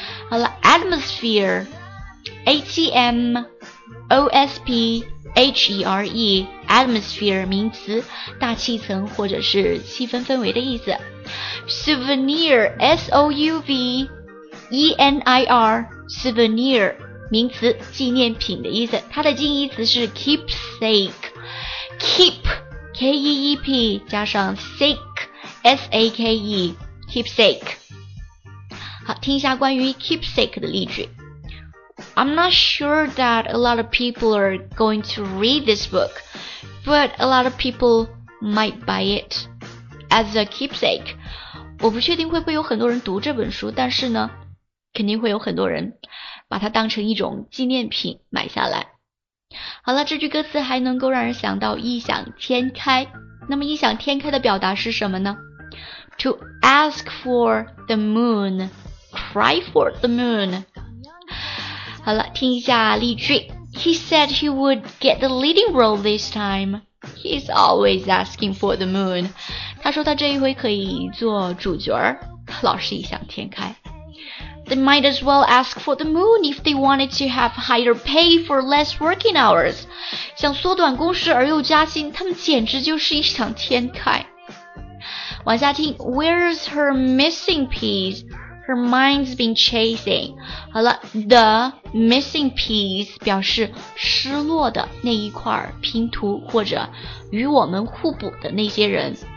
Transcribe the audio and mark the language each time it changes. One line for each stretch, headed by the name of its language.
Chinese: 好了 atmosphere A-T-M-O-S-P-H-E-R-E atmosphere 名词大气层或者是气氛氛围的意思 souvenir S-O-U-V-E-N-I-R souvenir 名词纪念品的意思它的近义词是 keepsakeKeep, K-E-E-P, 加上 sake, S-A-K-E, keepsake. 好，听一下关于 keepsake 的例句。
English: I'm not sure that a lot of people are going to read this book, but a lot of people might buy it as a keepsake.
Chinese: 我不确定会不会有很多人读这本书，但是呢，肯定会有很多人把它当成一种纪念品买下来。好了，这句歌词还能够让人想到异想天开。那么异想天开的表达是什么呢？
English: To ask for the moon, cry for the moon.
Chinese: 好了，听一下例句。
English: He said he would get the leading role this time. He's always asking for the moon.
Chinese: 他说他这一回可以做主角，他老是异想天开。
English: They might as well ask for the moon if they wanted to have higher pay for less working hours.
Chinese: 想缩短工时而又加薪，他们简直就是异想天开。往下听
English: ,Where's her missing piece? Her mind's been chasing.
Chinese: 好了 ,the missing piece 表示失落的那一块拼图或者与我们互补的那些人。